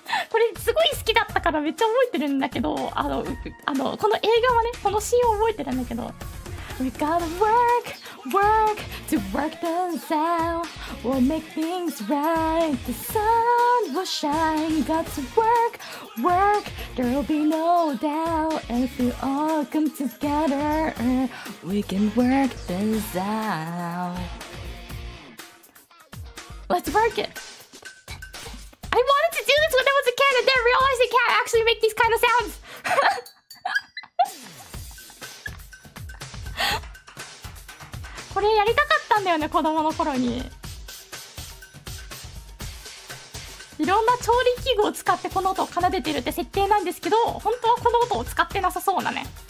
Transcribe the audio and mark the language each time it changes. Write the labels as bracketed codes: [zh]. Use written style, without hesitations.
[ja] これすごい好きだったからめっちゃ覚えてるんだけど、あの、この映画はね、このシーンを覚えてるんだけど。 [en] We gotta work, work, to work this out. We'll make things right. The sun will shine. Got to work, work. There'll be no doubt. If we all come together, we can work this out. Let's work it! I wanted to do this when I was a kid and then realized I can't actually make these kind of sounds! [ja] これやりたかったんだよね、子供の頃に。いろんな調理器具を使ってこの音を奏でてるって設定なんですけど、本当はこの音を使ってなさそうなね。